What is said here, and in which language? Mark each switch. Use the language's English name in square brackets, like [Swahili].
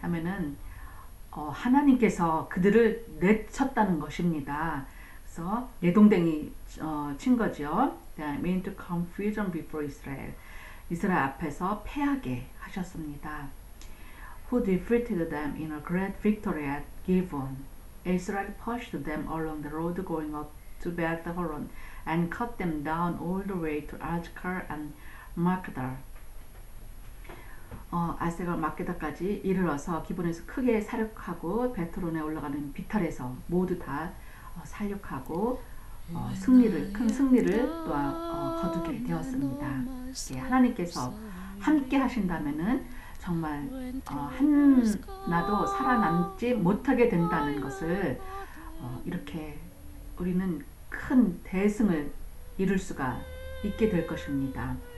[Korean] 하면은, 하나님께서 그들을 내쳤다는 것입니다. 그래서 내동댕이 친 거죠. [English] Into confusion before Israel. [Korean] 이스라엘 앞에서 패하게 하셨습니다. [English] Who defeated them in a great victory at Gibeon. Israel pushed them along the road going up to Beth Horon and cut them down all the way to Ajkar and Makkadar. [Korean] 아세가 마케다까지 이르러서 기본에서 크게 살육하고 베트론에 올라가는 비탈에서 모두 다 살육하고 승리를 큰 승리를 또 거두게 되었습니다. 예, 하나님께서 함께 하신다면은 정말 하나도 살아남지 못하게 된다는 것을 이렇게 우리는 큰 대승을 이룰 수가 있게 될 것입니다.